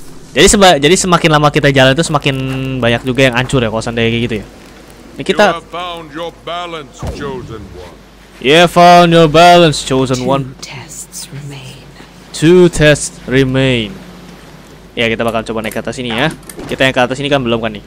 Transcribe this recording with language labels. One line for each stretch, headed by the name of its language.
Indonesian: Jadi jadi semakin lama kita jalan itu semakin banyak juga yang hancur ya kalau seandainya gitu ya. Ini kita
English: you have found your balance, chosen one. You have found your balance, chosen Two one. Tests remain. Two tests remain.
Indonesian: Ya, kita bakal coba naik ke atas ini ya. Kita yang ke atas ini kan belum kan nih.